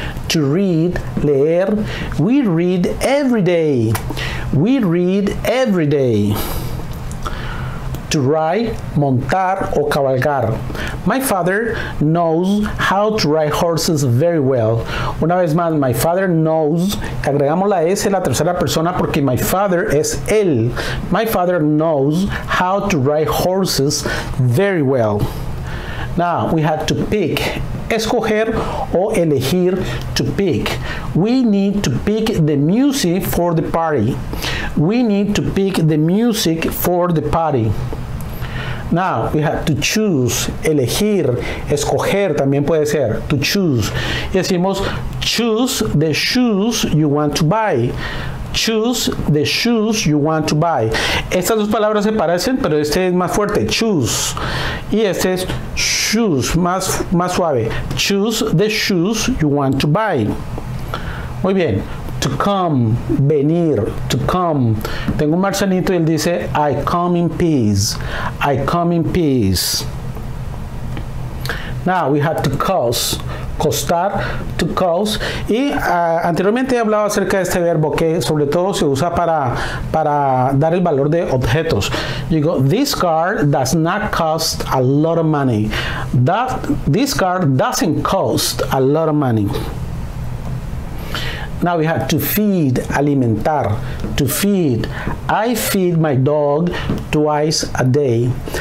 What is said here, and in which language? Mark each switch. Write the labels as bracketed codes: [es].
[en] To read, [es] leer. [en] We read every day. We read every day. To ride, [es] montar o cabalgar. [en] My father knows how to ride horses very well. [es] Una vez más, [en] my father knows. [es] Agregamos la S, la tercera persona, porque [en] my father [es] es él. [en] My father knows how to ride horses very well. Now, we have to pick. [es] Escoger o elegir, [en] to pick. We need to pick the music for the party. We need to pick the music for the party. Now, we have to choose, [es] elegir, escoger, también puede ser, [en] to choose. [es] Y decimos, [en] choose the shoes you want to buy. Choose the shoes you want to buy. [es] Estas dos palabras se parecen, pero este es más fuerte, [en] choose. [es] Y este es shoes, más suave. [en] Choose the shoes you want to buy. [es] Muy bien. [en] To come, [es] venir, [en] to come. [es] Tengo un marcianito y él dice, [en] I come in peace, I come in peace. Now we have to cause, [es] costar, [en] to cause. [es] Y anteriormente he hablado acerca de este verbo que sobre todo se usa para dar el valor de objetos. [en] You go, this car does not cost a lot of money. This car doesn't cost a lot of money. Now we have to feed, [es] alimentar, [en] to feed. I feed my dog twice a day.